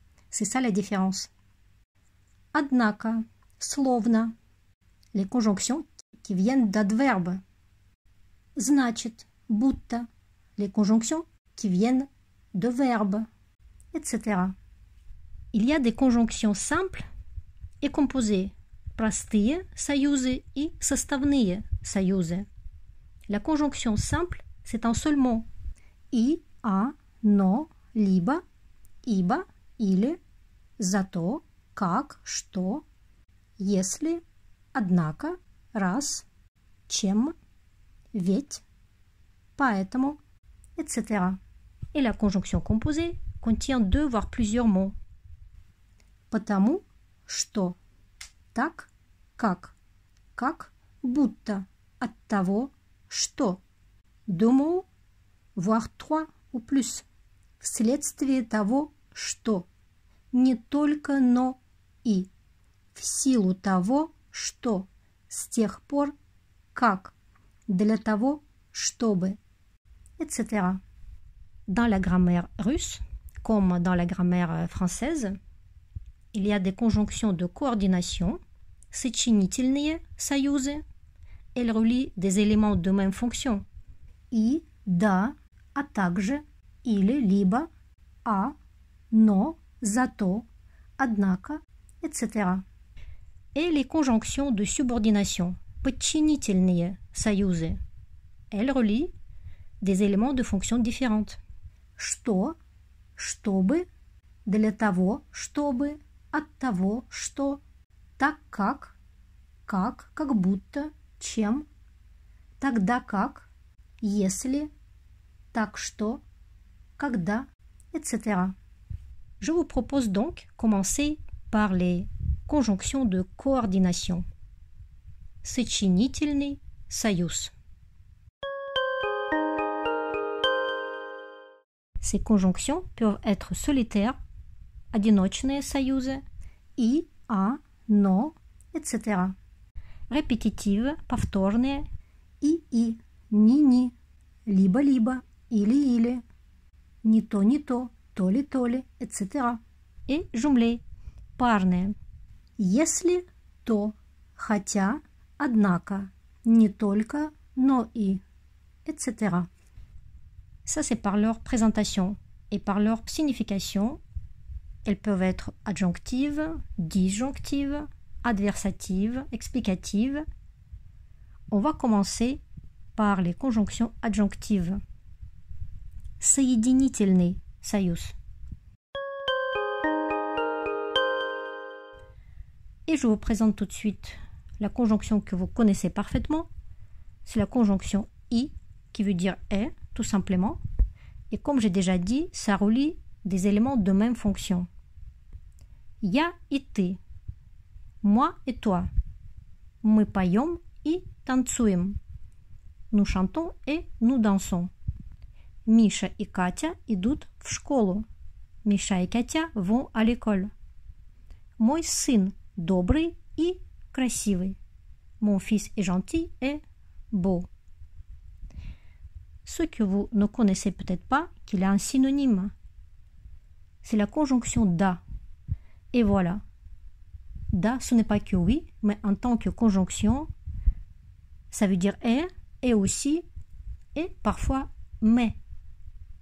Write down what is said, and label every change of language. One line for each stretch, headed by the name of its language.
French: C'est ça la différence.
Russian: Однако, словно,
French: les conjonctions qui viennent d'adverbes.
Russian: Значит, будто,
French: les conjonctions qui viennent de verbes, etc. Il y a des conjonctions simples et composées.
Russian: Простые союзы и составные союзы.
French: La conjonction simple, c'est un seul mot.
Russian: И, а, но, либо, ибо, Или за то, как, что, если, однако, раз, чем, ведь, поэтому, etc.
French: Et la conjonction composée contient deux voire plusieurs mots.
Russian: Потому, что, так, как, будто, от того, что.
French: Deux mots, voire trois ou plus.
Russian: Вследствие того, что. Не только, но и. В силу того, что. С тех пор, как. Для того, чтобы. Etc.
French: Dans la grammaire russe, comme dans la grammaire française, il y a des conjonctions de coordination,
Russian: сочинительные союзы.
French: Elle relie des éléments de même fonction. И, да, а также, или, либо, а, но, зато, однако, etc. Et les conjonctions de subordination,
Russian: подчинительные союзы.
French: Elle relie des éléments de fonction différentes.
Russian: Что, чтобы, для того, чтобы, от того, что, так как будто, чем, тогда как, если, так что, когда, etc.
French: Je vous propose donc commencer par les conjonctions de coordination.
Russian: Сочинительный союз.
French: Ces conjonctions peuvent être solitaires,
Russian: одиночные союзы, и, а, но,
French: etc. Répétitives,
Russian: повторные, и, ни, либо, или, не то, не то, то ли,
French: etc. Et jumelé,
Russian: парные, если, то, хотя, однако, не только, но и,
French: etc. Ça, c'est par leur présentation et par leur signification. Elles peuvent être adjonctives, disjonctives, adversatives, explicatives. On va commencer par les conjonctions adjonctives.
Russian: Соединительный союз.
French: Et je vous présente tout de suite la conjonction que vous connaissez parfaitement. C'est la conjonction I, qui veut dire « est ». Tout simplement. Et comme j'ai déjà dit, ça relie des éléments de même fonction.
Russian: Я и ты.
French: Moi et toi.
Russian: Мы поем и танцуем.
French: Nous chantons et nous dansons.
Russian: Миша и Катя идут в школу.
French: Миша и Катя vont à l'école.
Russian: Мой сын добрый и красивый.
French: Mon fils est gentil et beau. Ce que vous ne connaissez peut-être pas, qu'il a un synonyme, c'est la conjonction « da ». Et voilà. « Da », ce n'est pas que « oui », mais en tant que conjonction, ça veut dire « est », « et aussi », et parfois « mais ».